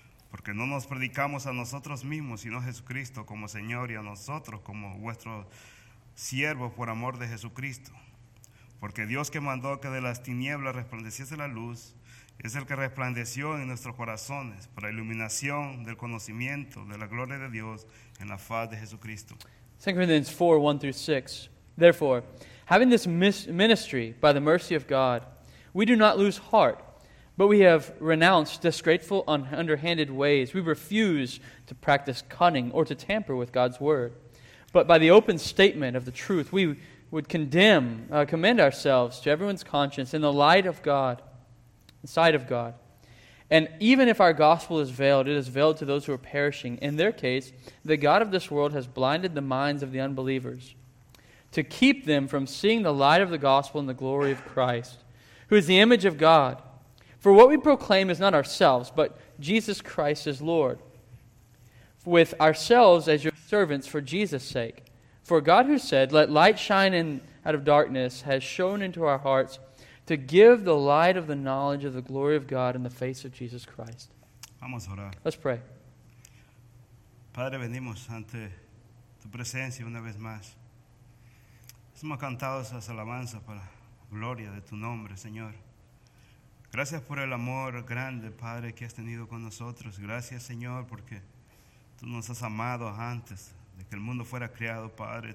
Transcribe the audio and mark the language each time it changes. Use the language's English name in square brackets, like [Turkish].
[Spanish] Porque no nos predicamos a nosotros mismos, sino a Jesucristo como Señor y a nosotros como vuestros siervos por amor de Jesucristo. Porque Dios que mandó que de las tinieblas resplandeciese la luz, es el que resplandeció en nuestros corazones para iluminación del conocimiento de la gloria de Dios en la faz de Jesucristo. [English] 2 Corinthians 4, 1 through 6. Therefore, having this ministry by the mercy of God, we do not lose heart, but we have renounced disgraceful underhanded ways. We refuse to practice cunning or to tamper with God's word. But by the open statement of the truth, we would commend ourselves to everyone's conscience in the light of God. Inside of God. And even if our gospel is veiled, it is veiled to those who are perishing. In their case, the God of this world has blinded the minds of the unbelievers to keep them from seeing the light of the gospel and the glory of Christ, who is the image of God. For what we proclaim is not ourselves, but Jesus Christ as Lord, with ourselves as your servants for Jesus' sake. For God who said, "Let light shine in out of darkness," has shone into our hearts to give the light of the knowledge of the glory of God in the face of Jesus Christ. [Spanish] Vamos a orar. [English] Let's pray. [Spanish] Padre, venimos ante tu presencia una vez más. Hemos cantado esas alabanzas para la gloria de tu nombre, Señor. Gracias por el amor grande, Padre, que has tenido con nosotros. Gracias, Señor, porque tú nos has amado antes de que el mundo fuera creado, Padre.